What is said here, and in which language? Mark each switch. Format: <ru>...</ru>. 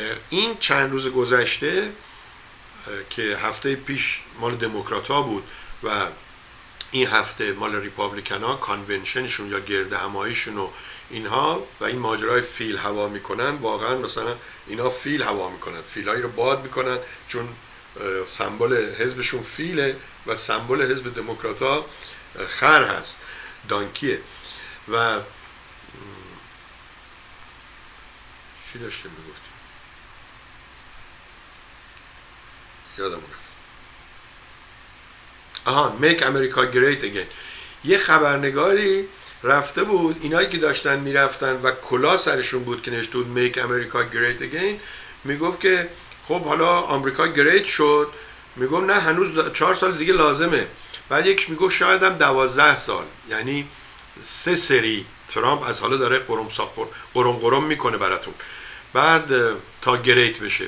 <fa>این چند روز گذشته که هفته پیش مال دموکرات ها بود و این هفته مال ریپابلیکن ها، کانونشنشون یا گرده هماییشون و اینها، و این ماجرای فیل هوا میکنن، واقعا مثلا اینا فیل هوا میکنن، فیل هایی رو باد میکنن، چون سمبل حزبشون فیله و سمبل حزب دموکرات ها خر هست، دانکیه. و چی داشته میگفتی؟ یادمونه. آها،</fa> <en>Make America Great Again.</en> <fa>یه خبرنگاری رفته بود، اینایی که داشتن میرفتن و کلا سرشون بود که نشتون</fa> <en>Make America Great Again،</en> <fa>میگفت که خب حالا آمریکا گریت شد، میگفت نه هنوز 4 سال دیگه لازمه. بعد یکیش میگفت شاید هم 12 سال، یعنی 3 سری ترامپ از حالا داره قرم ساپور قرم قرم میکنه براتون، بعد تا گریت بشه.</fa>